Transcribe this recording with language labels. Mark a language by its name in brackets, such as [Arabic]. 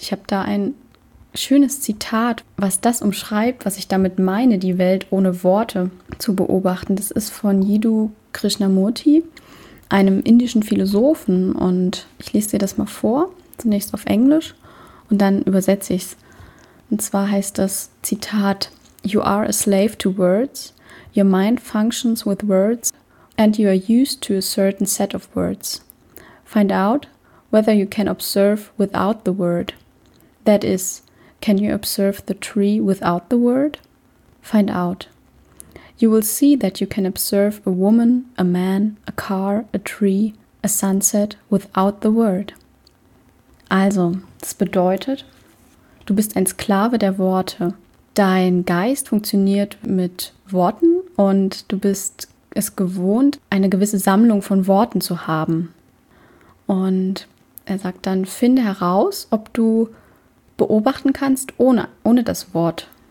[German] Ich habe da ein schönes Zitat, was das umschreibt, was ich damit meine, die Welt ohne Worte zu beobachten. Das ist von Jiddu Krishnamurti, einem indischen Philosophen. Und ich lese dir das mal vor, zunächst auf Englisch und dann übersetze ich es. Und zwar heißt das Zitat: [English] You are a slave to words. Your mind functions with words. And you are used to a certain set of words. Find out whether you can observe without the word. That is, can you observe the tree without the word? Find out. You will see that you can observe a woman, a man, a car, a tree, a sunset without the word. [German] Also, das bedeutet, du bist ein Sklave der Worte. Dein Geist funktioniert mit Worten und du bist es gewohnt, eine gewisse Sammlung von Worten zu haben. Und er sagt dann, finde heraus, ob du beobachten kannst ohne das Wort.